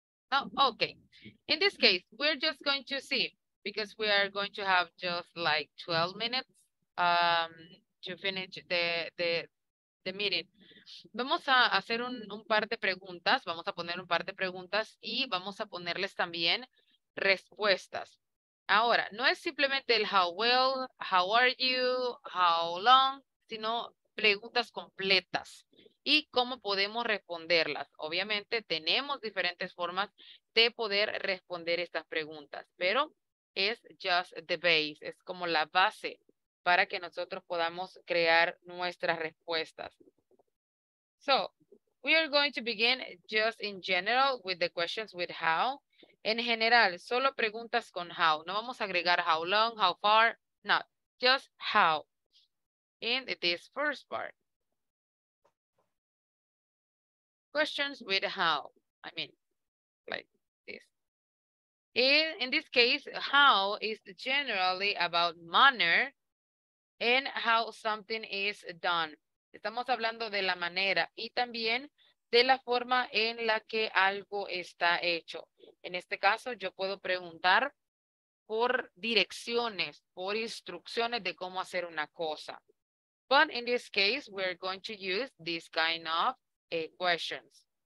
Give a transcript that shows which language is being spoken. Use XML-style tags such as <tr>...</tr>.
<en>Oh, okay, in this case, we're just going to see because we are going to have just like 12 minutes to finish the meeting.</en> <es>Vamos a hacer un par de preguntas, vamos a poner un par de preguntas y vamos a ponerles también respuestas. Ahora, no es simplemente el</es> <en>how well, how are you, how long,</en> <es>sino preguntas completas. ¿Y cómo podemos responderlas? Obviamente tenemos diferentes formas de poder responder estas preguntas, pero es</es> <en>just the base,</en> <es>es como la base para que nosotros podamos crear nuestras respuestas.</es> <en>So, we are going to begin just in general with the questions with how.</en> <es>En general, solo preguntas con how. No vamos a agregar how long, how far, no,</es> <en>just how in this first part. Questions with how, I mean, like this. In this case, how is generally about manner and how something is done.</en> <es>Estamos hablando de la manera y también de la forma en la que algo está hecho. En este caso, yo puedo preguntar por direcciones, por instrucciones de cómo hacer una cosa.</es> <en>But in this case, we're going to use this kind of questions.</en>